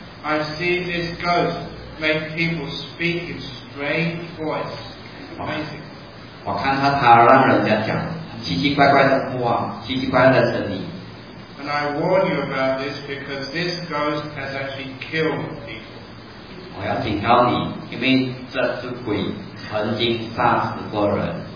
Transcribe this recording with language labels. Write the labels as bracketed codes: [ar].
[en] I've seen this ghost make people speak in strange voice. Amazing. [zh] 我看到他让人家讲奇奇怪怪的话，奇奇怪怪的声音。 [en] And I warn you about this because this ghost has actually killed people. [zh] 我要警告你，因为这只鬼曾经杀死过人。